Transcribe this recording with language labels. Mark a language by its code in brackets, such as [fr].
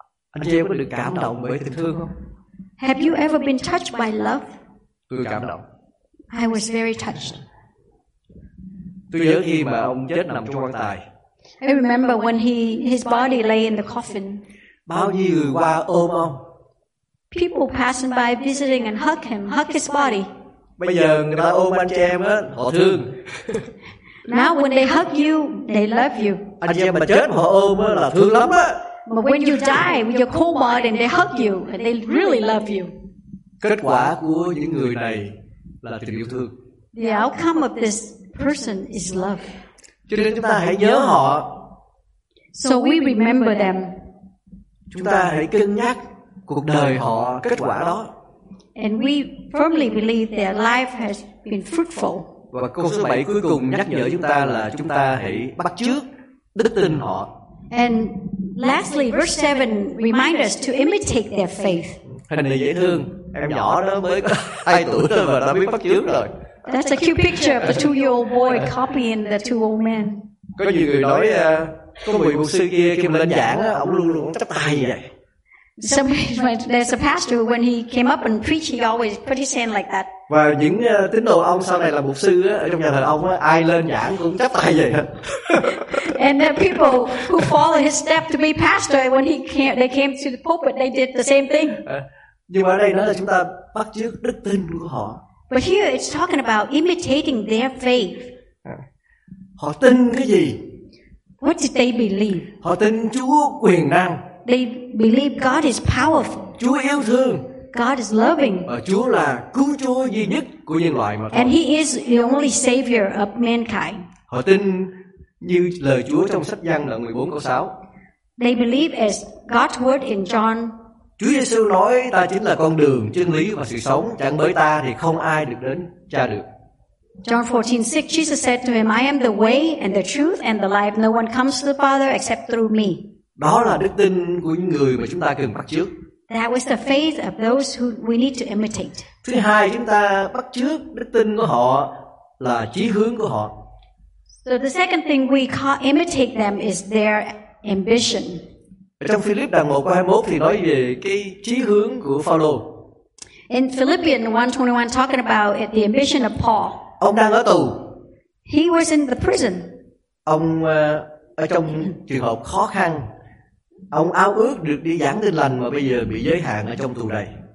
[vi] Anh chị em có được cảm động bởi tình thương không? [en] Have you ever been touched by love? [vi] Tôi cảm động. [en] I was very touched. [vi] Tôi nhớ khi mà ông chết nằm trong quan tài. [en] I remember when his body lay in the coffin. [vi] Bao nhiêu người qua ôm ông? [en] People passing by visiting and hug him, hug his body. [vi] Bây giờ người ta ôm anh chị em á, họ thương. [en] Now when they hug you, they love you. [vi] Anh chị em mà chết họ ôm là thương lắm á. [en] But when you die, when you're cold body and they hug you, and they really love you. [vi] Kết quả của những người này là tình yêu thương. [en] The outcome of this person is love. [vi] Cho nên chúng ta hãy nhớ họ. [en] So we remember them. [vi] Chúng ta hãy cân nhắc cuộc đời họ, kết quả đó. [en] And we firmly believe their life has been fruitful. [vi] Và câu số 7 cuối cùng nhắc nhở chúng ta là chúng ta hãy bắt chước đức tin họ. [en] And lastly, verse 7 reminds us to imitate their faith. [vi] Hình này dễ thương. Em nhỏ đó mới có 2 tuổi thôi mà đã biết bắt chước rồi. [en] That's a cute picture of the 2-year-old boy copying the 2-old man. [vi] Có nhiều người nói có vị mục sư kia khi mà lên giảng á, ông luôn luôn chắp tay vậy. [en] Somebody, there's a pastor when he came up and preached, he always put his hand like that. [vi] Và những tín đồ ông sau này là mục sư á, trong nhà thờ ông á, ai lên giảng cũng chắp tay vậy. [en] And the people who follow his step to be pastor when he came, they came to the pulpit, they did the same thing. [vi] Nhưng mà ở đây nói là chúng ta bắt chước đức tin của họ. [en] But here it's talking about imitating their faith. [vi] Họ tin cái gì? [en] What did they believe? [vi] Họ tin Chúa quyền năng. [en] They believe God is powerful. [vi] Chúa yêu thương. [en] God is loving. [vi] Và Chúa là cứu Chúa duy nhất của nhân loại mà thôi. [en] And he is the only savior of mankind. [vi] Họ tin như lời Chúa trong sách Giăng là 14 câu 6. [en] They believe as God's word in John. [vi] Chúa Giêsu nói ta chính là con đường, chân lý và sự sống, chẳng bởi ta thì không ai được đến Cha được. [en] John 14:6 Jesus said to him, I am the way and the truth and the life. No one comes to the Father except through me. [vi] Đó là đức tin của những người mà chúng ta cần bắt chước. [en] That was the faith of those who we need to imitate. [vi] Thứ hai, chúng ta bắt chước đức tin của họ là chí hướng của họ. [en] So the second thing we imitate them is their ambition. [vi] Trong Philip đoạn 1 câu 21 thì nói về cái chí hướng của Phaolô. [en] In Philippians 1:21 talking about the ambition of Paul. [vi] Ông đang ở tù. [en] He was in the prison. [vi] Ông ở trong trường hợp khó khăn. Ông ao ước được đi giảng tin lành mà bây giờ bị giới hạn ở trong tù đầy.